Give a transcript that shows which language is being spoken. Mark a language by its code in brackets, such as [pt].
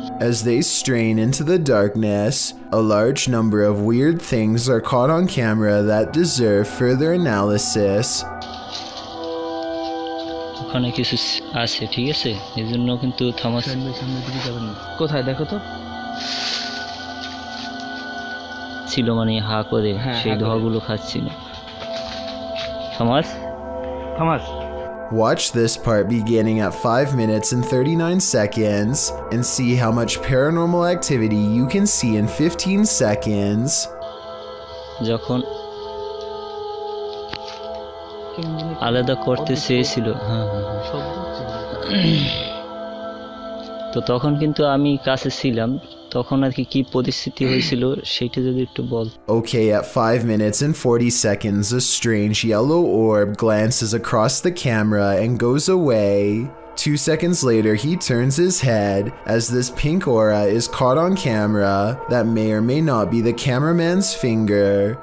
[en] As they strain into the darkness, a large number of weird things are caught on camera that deserve further analysis. Thomas? Watch this part beginning at 5 minutes and 39 seconds and see how much paranormal activity you can see in 15 seconds. [bn] যখন আলাদা করতে চেয়েছিল তো তখন কিন্তু আমি কাছে ছিলাম. [en] Okay, at 5 minutes and 40 seconds, a strange yellow orb glances across the camera and goes away. 2 seconds later, he turns his head as this pink aura is caught on camera that may or may not be the cameraman's finger.